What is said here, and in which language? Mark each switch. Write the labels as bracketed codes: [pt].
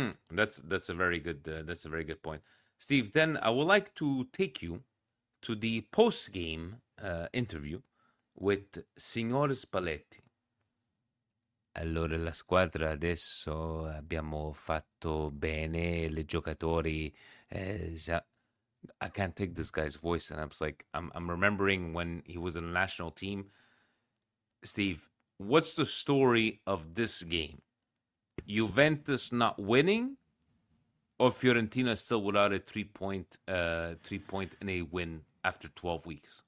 [en] That's a very good point, Steve. Then I would like to take you to the post game interview with Signor Spalletti. [it] Allora, la squadra adesso abbiamo fatto bene, le giocatori. [en] I can't take this guy's voice, and I was like, I'm remembering when he was in the national team. Steve, what's the story of this game? Juventus not winning, or Fiorentina still without a three point and a win after 12 weeks?